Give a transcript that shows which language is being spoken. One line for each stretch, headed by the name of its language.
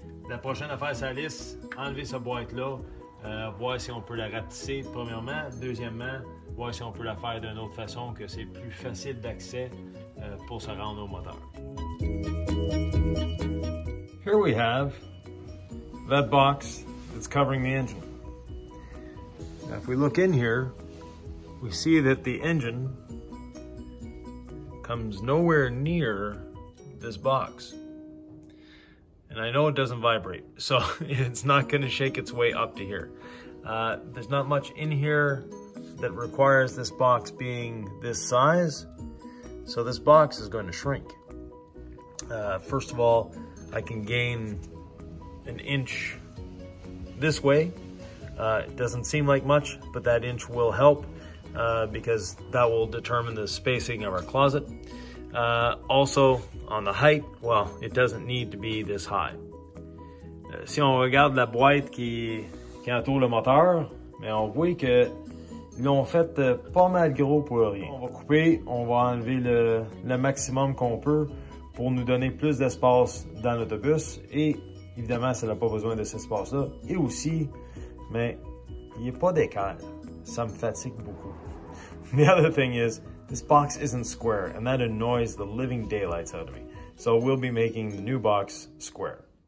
French: La prochaine affaire, c'est Alice, enlever sa boîte là, voir si on peut la ratisser premièrement, deuxièmement, voir si on peut la faire d'une autre façon que c'est plus facile d'accès pour se rendre au moteur.
English: Here we have that box that's covering the engine. Now if we look in here, we see that the engine comes nowhere near this box. And I know it doesn't vibrate, so it's not gonna shake its way up to here. There's not much in here that requires this box being this size, so this box is going to shrink. First of all, I can gain an inch this way. It doesn't seem like much, but that inch will help because that will determine the spacing of our closet. Also on the height, well, it doesn't need to be this high.
French: Si on regarde la boîte qui entoure le moteur, mais on voit que l'on fait pas mal gros pour rien. On va couper, on va enlever le maximum qu'on peut pour nous donner plus d'espace dans l'autobus. Et évidemment, ça n'a pas besoin de cet espace-là. Et aussi, mais il n'y a pas d'écart. Ça me fatigue beaucoup.
English: The other thing is, this box isn't square, and that annoys the living daylights out of me. So we'll be making the new box square.